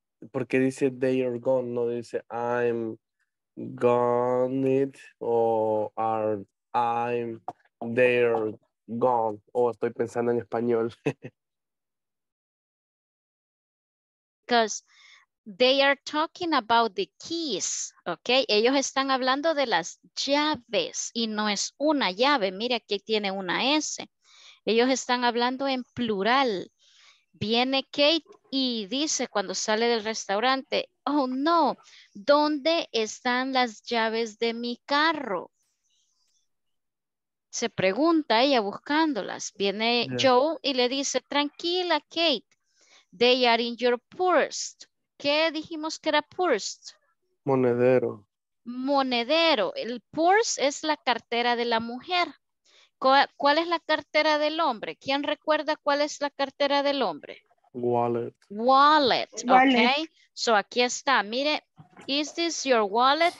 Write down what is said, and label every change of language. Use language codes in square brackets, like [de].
[es] Porque dice [en] they are gone, [es] no dice [en] I'm gone it o are I'm they are gone. [es] Estoy pensando en español. [en] Because they are talking about the keys, okay? [es] Ellos están hablando de las llaves y no es una llave. Mira, aquí tiene una S. Ellos están hablando en plural. Viene Kate y dice cuando sale del restaurante, [en] oh no, [es] ¿dónde están las llaves de mi carro? Se pregunta ella buscándolas. Viene Joe y le dice, tranquila, Kate, [en] they are in your purse. [es] ¿Qué dijimos que era purse? Monedero. Monedero. El purse es la cartera de la mujer. ¿Cuál es la cartera del hombre? ¿Quién recuerda cuál es la cartera del hombre? [en] Wallet. Wallet. Wallet. Okay. [es] So aquí está. Mire, [en] is this your wallet?